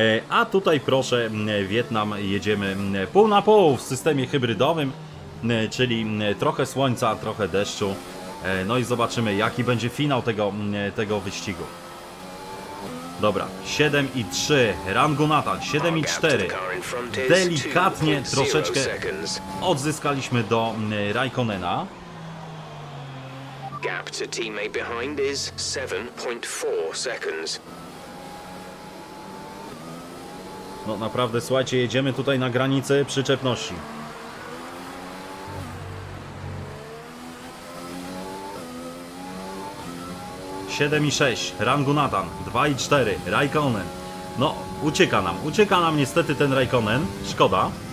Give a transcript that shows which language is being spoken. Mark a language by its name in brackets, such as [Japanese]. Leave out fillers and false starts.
[Polish] A tutaj proszę, Wietnam, jedziemy pół na pół w systemie hybrydowym, czyli trochę słońca, trochę deszczu. No i zobaczymy, jaki będzie finał tego wyścigu. Dobra, 7,3 Ranganathan, 7,4. Delikatnie troszeczkę odzyskaliśmy do Raikkonena. [English] Gap to teammate behind is 7.4 seconds. [Polish] No naprawdę, słuchajcie, jedziemy tutaj na granicy przyczepności. Ranganathan, 2,4 Raikkonen. No, ucieka nam niestety ten Raikkonen, szkoda.